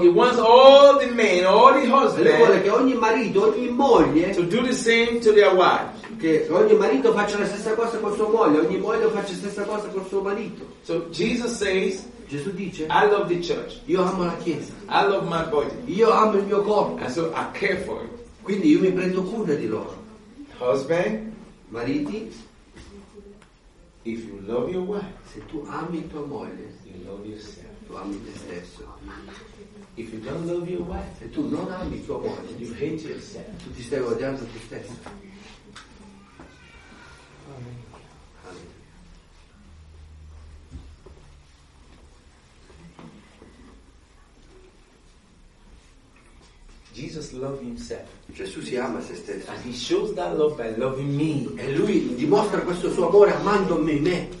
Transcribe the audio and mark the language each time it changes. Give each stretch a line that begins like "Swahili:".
English: he wants all the men, all the husbands,
Italian: e vuole che ogni marito, ogni moglie,
English: to do the same to their wives.
Italian: Che ogni marito faccia la stessa cosa con sua moglie, ogni moglie faccia la stessa cosa con suo marito.
English: So Jesus says,
Italian: Gesù dice,
English: I love the church.
Italian: Io amo la chiesa.
English: I love my body.
Italian: Io amo il mio corpo.
English: And so I care for it.
Italian: Quindi io mi prendo cura di loro.
English: Husband,
Italian: mariti,
English: if you love your wife,
Italian: se tu ami tua moglie,
English: you love yourself.
Italian: Ami te stesso.
English: If you don't love your wife,
Italian: se tu non ami tua moglie,
English: you hate yourself.
Italian: Tu ti stai odiando te stesso.
English: Jesus loved himself.
Italian: Gesù si ama se stesso.
English: And he shows that love by loving me.
Italian: E lui dimostra questo suo amore amando me.